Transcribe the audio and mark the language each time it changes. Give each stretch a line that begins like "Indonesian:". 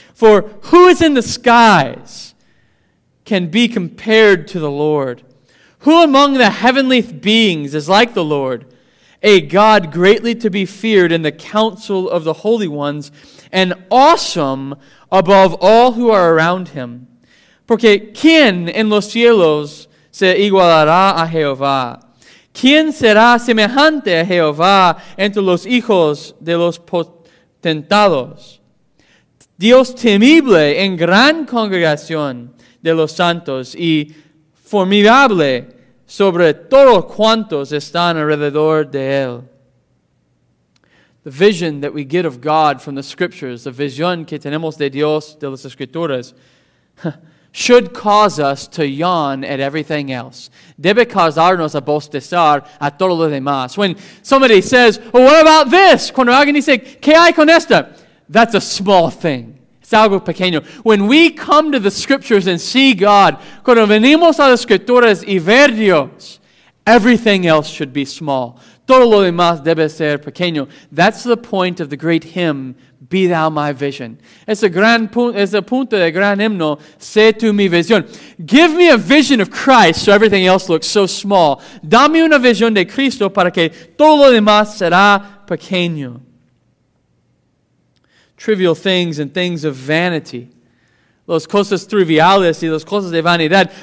English: For who is in the skies can be compared to the Lord? Who among the heavenly beings is like the Lord? A God greatly to be feared in the council of the holy ones and awesome above all who are around him.
Spanish: Porque ¿quién en los cielos se igualará a Jehová? ¿Quién será semejante a Jehová entre los hijos de los potentados? Dios temible en gran congregación de los santos y formidable sobre todos cuantos están alrededor de él.
English: The vision that we get of God from the Scriptures, the vision
Spanish: que tenemos de Dios de las Escrituras,
English: should cause us to yawn at everything else.
Spanish: Debe causarnos a bostezar a todo lo demás.
English: When somebody says, well, what about this?
Spanish: Cuando alguien dice, ¿qué hay con esta?
English: That's a small thing.
Spanish: Es algo pequeño.
English: When we come to the Scriptures and see God,
Spanish: cuando venimos a las Escrituras y ver Dios,
English: everything else should be small.
Spanish: Todo lo demás debe ser pequeño.
English: That's the point of the great hymn, Be Thou My Vision.
Spanish: Es el punto del gran himno, Sé Tú Mi Visión.
English: Give me a vision of Christ so everything else looks so small.
Spanish: Dame una visión de Cristo para que todo lo demás será pequeño. Trivial things and things of vanity. Los cosas triviales y los cosas de vanidad.